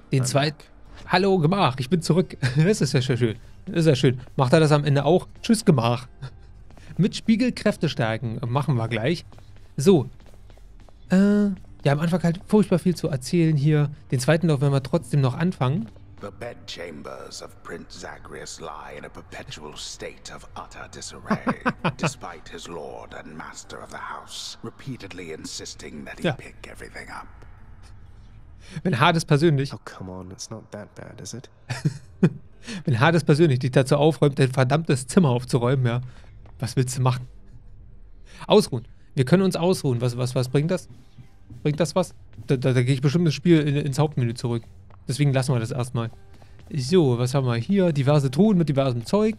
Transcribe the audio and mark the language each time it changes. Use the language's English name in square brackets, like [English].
[German] Den zweiten. Hallo, Gemach. Ich bin zurück. Das ist ja schön. Das ist ja schön. Macht er das am Ende auch? Tschüss, Gemach. Mit Spiegelkräfte stärken. Machen wir gleich. So. Ja, am Anfang halt furchtbar viel zu erzählen hier. Den zweiten Lauf werden wir trotzdem noch anfangen. [English] The bedchambers of Prince Zagreus lie in a perpetual state of utter disarray, despite his lord and master of the house repeatedly insisting that he pick everything up. [German] Wenn Hades persönlich... [English] Oh, come on, it's not that bad, is it? [German] Wenn Hades persönlich dich dazu aufräumt, dein verdammtes Zimmer aufzuräumen, ja, was willst du machen? Ausruhen. Wir können uns ausruhen. Was bringt das? Bringt das was? Da gehe ich bestimmt das Spiel ins Hauptmenü zurück. Deswegen lassen wir das erstmal. So, was haben wir hier? Diverse Truhen mit diversem Zeug.